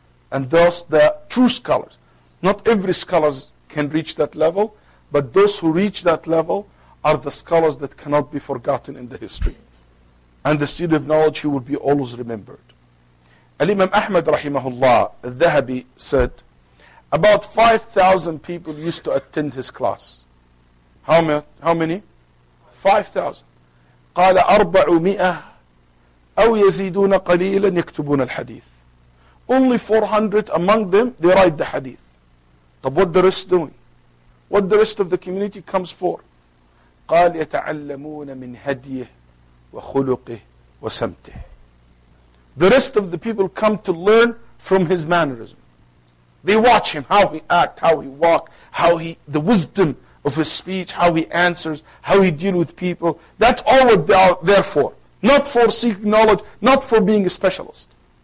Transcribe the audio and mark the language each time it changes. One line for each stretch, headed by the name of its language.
English: And thus, the true scholars. Not every scholar can reach that level, but those who reach that level are the scholars that cannot be forgotten in the history. And the student of knowledge, he will be always remembered. Al-Imam Ahmad, rahimahullah, al-Dhahabi, said, about 5,000 people used to attend his class. How many? 5,000.
Arabic: قال 400 أو يزيدون قليلا يكتبون الحديث.
English: Only 400 among them, they write the hadith. طب what the rest doing? What the rest of the community comes for?
Arabic: قال يتعلمون من هديه وخلقه وسمته.
English: The rest of the people come to learn from his mannerism. They watch him, how he act, how he walk, how he, the wisdom of his speech, how he answers, how he deal with people. That's all what they are there for. Not for seeking knowledge, not for being a specialist.